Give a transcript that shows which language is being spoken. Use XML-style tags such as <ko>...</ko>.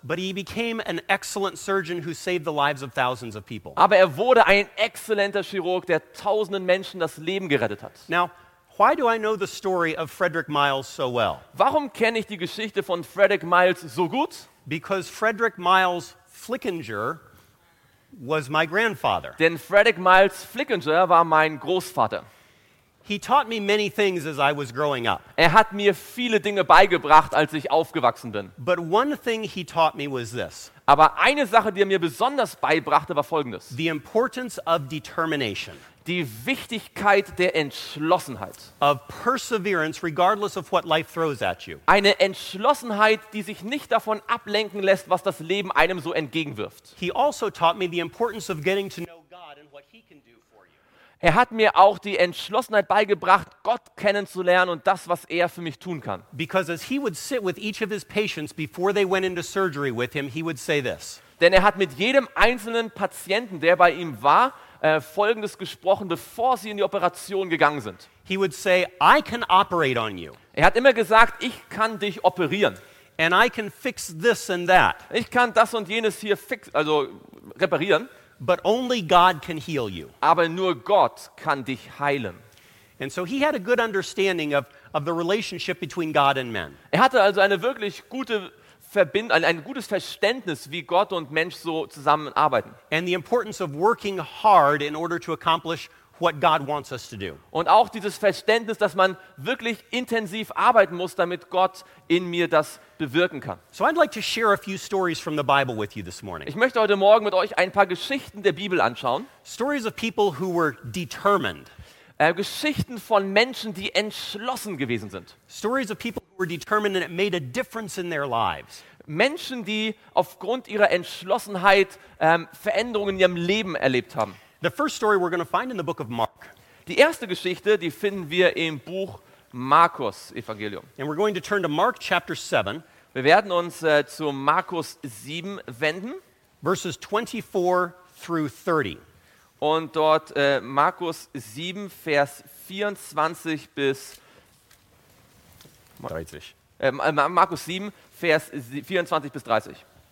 <en>But he became an excellent surgeon who saved the lives of thousands of people.</en> <de>Aber er wurde ein exzellenter Chirurg, der tausenden Menschen das Leben gerettet hat.</de> <en>Now, why do I know the story of Frederick Miles so well?</en> <de>Warum kenne ich die Geschichte von Frederick Miles so gut?</de> <en>Because Frederick Miles Flickinger was my grandfather.</en> <de>Denn Frederick Miles Flickinger war mein Großvater.</de> <en>He taught me many things as I was growing up.</en> <de>Er hat mir viele Dinge beigebracht, als ich aufgewachsen bin.</de> <en>But one thing he taught me was this.</en> <de>Aber eine Sache, die er mir besonders beibrachte, war folgendes.</de> <en>The importance of determination.</en> <de>Die Wichtigkeit der Entschlossenheit.</de> <en>Of perseverance, regardless of what life throws at you.</en> <de>Eine Entschlossenheit, die sich nicht davon ablenken lässt, was das Leben einem so entgegenwirft.</de> <en>He also taught me the importance of getting to know God and what he can do for you.</en> <de>Er hat mir auch die Entschlossenheit beigebracht, Gott kennenzulernen und das, was er für mich tun kann.</de> <en>Because as he would sit with each of his patients before they went into surgery with him, he would say this.</en> <de>Denn er hat mit jedem einzelnen Patienten, der bei ihm war, Folgendes gesprochen, bevor sie in die Operation gegangen sind.</de> <en>He would say, I can operate on you.</en> <de>Er hat immer gesagt, ich kann dich operieren.</de> <en>And I can fix this and that.</en> <de>Ich kann das und jenes hier reparieren.</de> <en>But only God can heal you.</en> <de>Aber nur Gott kann dich heilen.</de> <en>And so he had a good understanding of the relationship between God and man.</en> <de>Er hatte also eine wirklich gute ein gutes Verständnis, wie Gott und Mensch so zusammenarbeiten.</de> <en>And the importance of working hard in order to accomplish what God wants us to do.</en> <de>Und auch dieses Verständnis, dass man wirklich intensiv arbeiten muss, damit Gott in mir das bewirken kann.</de> <en>So I'd like to share a few stories from the Bible with you this morning.</en> <de>Ich möchte heute Morgen mit euch ein paar Geschichten der Bibel anschauen.</de> <en>Stories of people who were determined.</en> <de>Geschichten von Menschen, die entschlossen gewesen sind.</de> <en>Stories of people who were determined and it made a difference in their lives.</en> <de>Menschen, die aufgrund ihrer Entschlossenheit Veränderungen in ihrem Leben erlebt haben.</de> <en>The first story we're going to find in the book of Mark.</en> <de>Die erste Geschichte, die finden wir im Buch Markus Evangelium.</de> <en>And we're going to turn to Mark chapter 7.</en> <de>Wir werden uns zu Markus 7 wenden.</de> <en>Verses 24 through 30.</en> <de>Und dort Markus 7, Vers 24 bis 30. Markus 7, Vers 24 bis 30.</de>